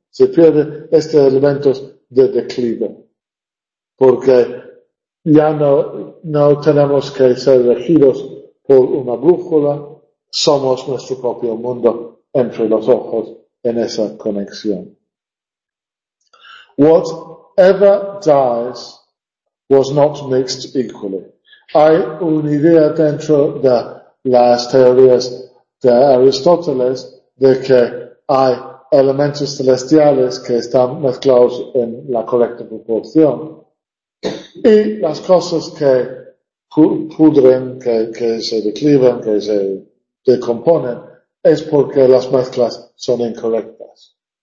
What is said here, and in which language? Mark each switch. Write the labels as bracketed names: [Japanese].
[Spanish] Se pierden estos elementos de declive. Porque ya no tenemos que ser regidos por una brújula, somos nuestro propio mundo entre los ojos en esa conexión. [English] Whatever dies was not mixed equally. [Spanish] Hay una idea dentro de las teorías de Aristóteles de que hay elementos celestiales que están mezclados en la correcta proporción. Y las cosas que pudren, que se decliven, que se decomponen, es porque las mezclas son incorrectas.